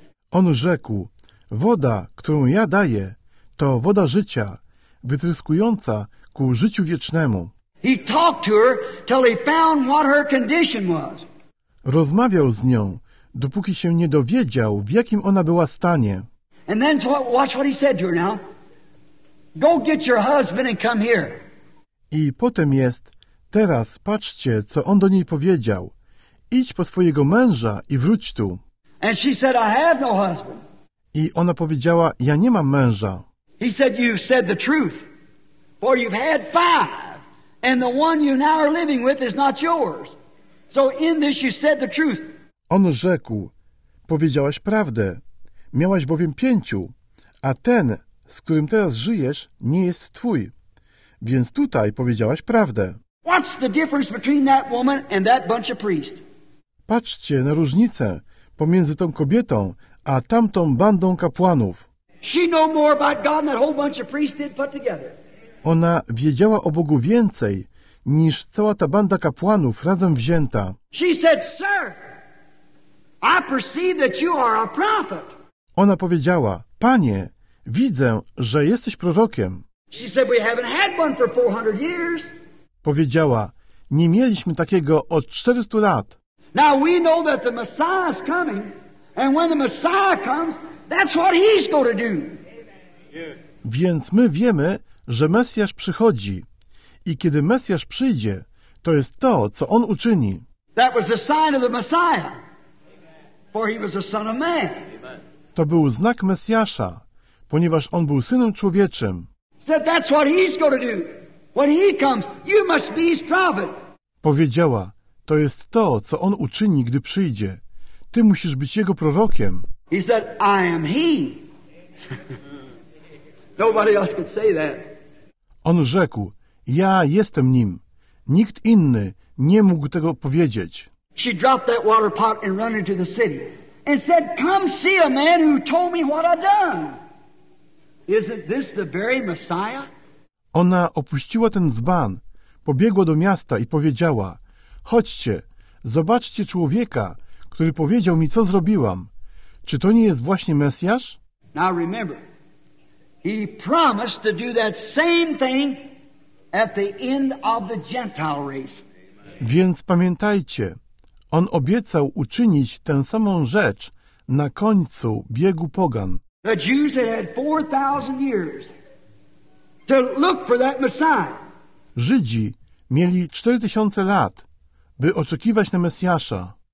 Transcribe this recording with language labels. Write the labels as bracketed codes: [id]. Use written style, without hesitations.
[pl] On rzekł: "Woda, którą ja daję, to woda życia, wytryskująca ku życiu wiecznemu." [en] He talked to her till he found what her condition was. [pl] Rozmawiał z nią, dopóki się nie dowiedział, w jakim ona była stanie. [en] And then watch what he said to her now. Go get your husband and come here. [pl] I potem jest, teraz patrzcie, co on do niej powiedział. Idź po swojego męża i wróć tu. [en] And she said, I have no husband. [pl] I ona powiedziała, ja nie mam męża. [en] He said, you've said the truth, for you've had five, and the one you now are living with is not yours. So in this you said the truth. [pl] On rzekł, powiedziałaś prawdę, miałaś bowiem pięciu, a ten, z którym teraz żyjesz, nie jest twój. Więc tutaj powiedziałaś prawdę. [en] What's the difference between that woman and that bunch of priests? [pl] Patrzcie na różnicę pomiędzy tą kobietą a tamtą bandą kapłanów. [en] She knew more about God than that whole bunch of priests did put together. [pl] Ona wiedziała o Bogu więcej niż cała ta banda kapłanów razem wzięta. [en] She said, sir, I perceive that you are a prophet. [pl] Ona powiedziała, panie, widzę, że jesteś prorokiem. [en] She said, we haven't had one for 400 years. [pl] Powiedziała, nie mieliśmy takiego od 400 lat. [en] Now we know that the Messiah is coming, and when the Messiah comes, that's what he's going to do. [pl] Więc my wiemy, że Mesjasz przychodzi. I kiedy Mesjasz przyjdzie, to jest to, co on uczyni. [en] That was the sign of the Messiah. For he was the son of man. [pl] To był znak Mesjasza, ponieważ on był synem człowieczym. [en] Said that's what he's going to do. When he comes, you must be his prophet. [pl] Powiedziała, to jest to, co on uczyni, gdy przyjdzie. Ty musisz być jego prorokiem. [en] He said, I am he. Nobody else could say that. [pl] On rzekł, ja jestem nim. Nikt inny nie mógł tego powiedzieć. [en] She dropped that water pot and ran into the city and said, come see a man who told me what I've done. Isn't this the very Messiah? [pl] Ona opuściła ten dzban, pobiegła do miasta i powiedziała, chodźcie, zobaczcie człowieka, który powiedział mi, co zrobiłam. Czy to nie jest właśnie Mesjasz? [en] Now remember, he promised to do that same thing at the end of the Gentile race. [pl] Więc pamiętajcie, on obiecał uczynić tę samą rzecz na końcu biegu pogan. [en] The Jews had 4,000 years to look for that Messiah. [pl] Żydzi mieli 4,000 lat, by oczekiwać na Mesjasza.